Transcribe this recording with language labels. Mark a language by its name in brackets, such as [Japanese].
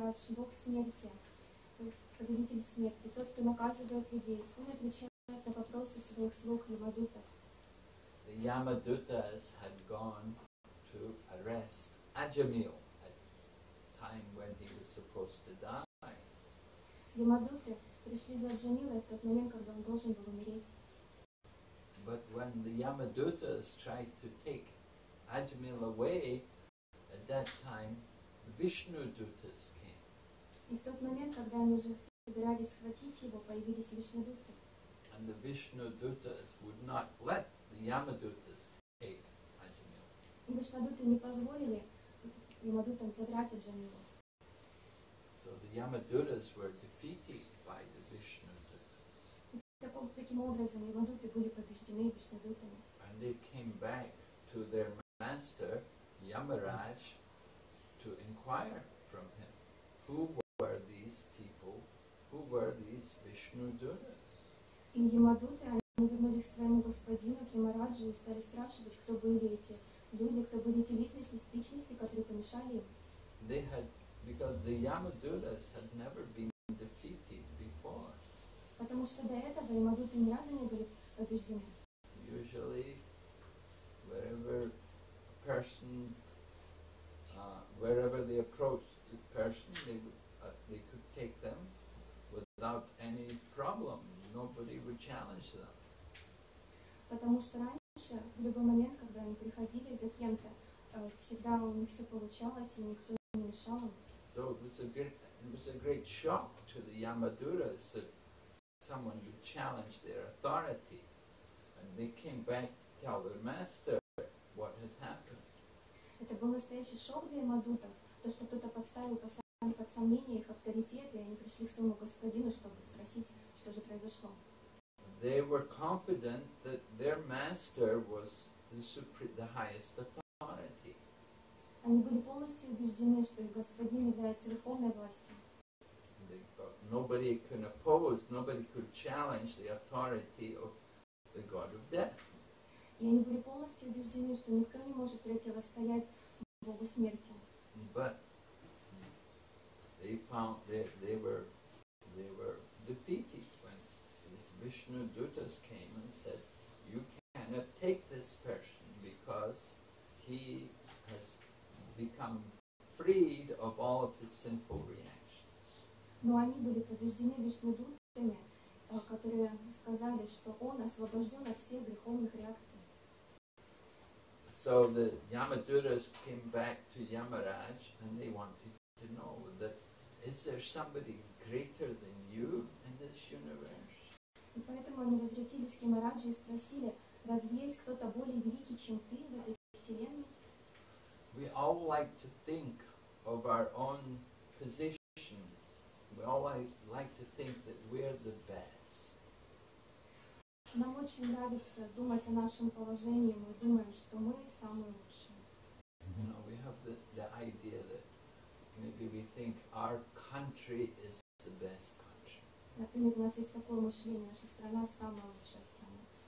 [Russian] Бог смерти, победитель смерти, тот, кто наказывает людей, он отвечает на вопросы своих слуг Ямадутов. [English] The Yamadutas had gone to arrest Ajamil at time when he was supposed to die. [Russian] Ямадуты пришли за Аджамила в тот момент, когда он должен был умереть. [English] But when the Yamadutas tried to take Ajamil away, at that time Vishnu Dutas came. [Russian] И в тот момент, когда они уже собирались схватить его, появились вишнудуты. [English] And the Vishnudutas would not let the Yamadutas take Ajamil. [Russian] И вишнудуты не позволили Ямадутам забрать Аджамилу. [English] So the Yamadutas were defeated by the Vishnudutas. [Russian] Таким образом, Ямадуты были побеждены вишнудутами. [English] And they came back to their master Yamaraj to inquire from him who were these people, who were these Vishnu Dutas? [Russian] И Ямадуты, они вернулись к своему господину, к Ямараджу, и стали спрашивать, кто были эти люди, кто были эти личности, которые помешали им. [English] They had, because the Yamadutas had never been defeated before. [Russian] Потому что до этого Ямадуты ни разу не были побеждены. [English] Usually, wherever a person, wherever they approached the person, they could take them without any problem. Nobody would challenge them. [Russian] Потому что раньше, в любой момент, когда они приходили, за всегда у них все получалось и никто не мешал им. [English] So it was a great shock to the Yamaduras that someone would challenge their authority, and they came back to tell their master what had happened. [Russian] Это был настоящий шок для Ямадутов, то что кто-то подставил под сомнение их авторитет, и они пришли к своему господину, чтобы спросить, что же произошло. [English] They were confident that their master was the highest authority. [Russian] Они были полностью убеждены, что их господин является верховной властью. [English] Nobody could oppose, nobody could challenge the authority of the god of death. [Russian] И они были полностью убеждены, что никто не может противостоять Богу смерти. [English] But they were defeated when these Vishnu Dutas came and said, you cannot take this person because he has become freed of all of his sinful reactions. [Russian] Но они были побеждены Вишну Дутами, которые сказали, что он освобожден от всех греховных реакций. [English] So the Yamadutas came back to Yamaraj and they wanted to know that, is there somebody greater than you in this universe? [Russian] И поэтому они возвратились к Ямараджу и спросили, разве есть кто-то более великий, чем ты в этой вселенной? [English] We all like to think of our own position. We all like to think that we're the best. [Russian] Нам очень нравится думать о нашем положении, мы думаем, что мы самые лучшие. [English] You know, we have the idea that maybe we think our country is the best country. [Russian] Например, у нас есть такое мышление, наша страна самая лучшая страна.